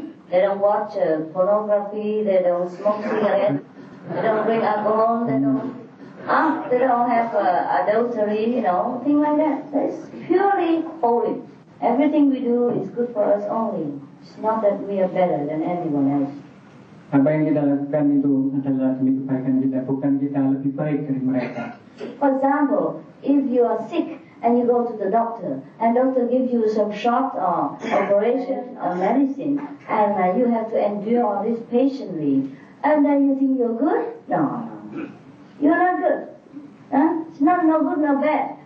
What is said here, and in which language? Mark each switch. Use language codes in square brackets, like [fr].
[en] They don't watch pornography, they don't smoke cigarettes, they don't drink alcohol, they don't have adultery, you know, things like that. That's purely holy. Everything we do is good for us only. It's not that we are better than anyone else. [id] Apa yang kita lakukan itu adalah demi kebaikan kita, bukan kita lebih baik dari mereka. [en] For example, if you are sick and you go to the doctor, and doctor gives you some short operation or medicine, and you have to endure all this patiently, and then you think you're good? No, you're not good. Huh? It's not no good, no bad.